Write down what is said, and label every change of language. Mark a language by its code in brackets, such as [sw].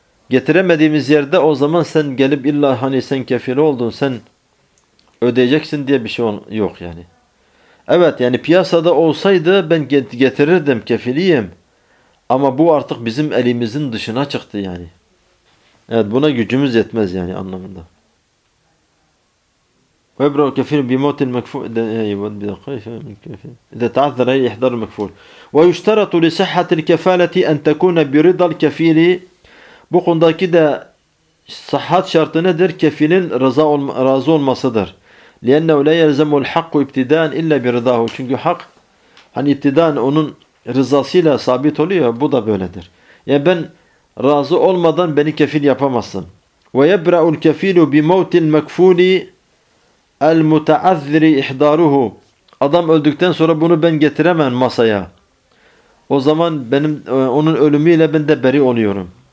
[tr] Getiremediğimiz yerde o zaman sen gelip illa hani sen kefil oldun, sen ödeyeceksin diye bir şey yok yani. Evet, yani piyasada olsaydı ben getirirdim, kefiliyim. Ama bu artık bizim elimizin dışına çıktı yani. Evet, buna gücümüz yetmez yani anlamında. [ar] وابرأ كفيل بموت المكفول ايوه بدا خايف من كفيل اذا تعذر اي احضار المكفول ويشترط لصحة الكفالة ان تكون برضا الكفيل. [tr] Bu konudaki de sıhhat şartı nedir? Kefilin razı olmasıdır. [ar] لأنه لا يلزم الحق ابتداء إلا برضاه. [tr] Çünkü hak hani ابتداء onun rızasıyla sabit oluyor. Bu da böyledir. Yani ben razı olmadan beni kefil yapamazsın. [ar] وَيَبْرَأُ الْكَفِيلُ بِمَوْتِ الْمَكْفُولِ الْمُتَعَذِّرِ اِحْضَارُهُ. [tr] Adam öldükten sonra bunu ben getiremem masaya. O zaman benim onun ölümüyle ben de beri oluyorum.